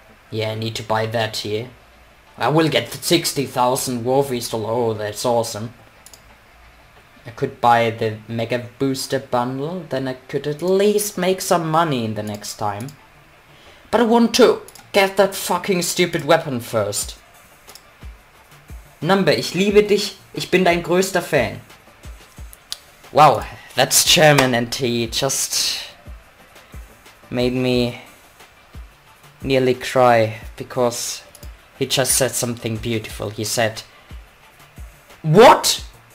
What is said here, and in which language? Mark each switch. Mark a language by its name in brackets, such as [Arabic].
[English] Yeah, I need to buy that here. I will get the 60,000 Warface doll. Oh, that's awesome. I could buy the Mega Booster bundle, then I could at least make some money in the next time. But I want to get that fucking stupid weapon first. [German] Number, ich liebe dich, ich bin dein größter Fan. [English] Wow, that's German and he just made me nearly cry because he just said something beautiful. He said... what?!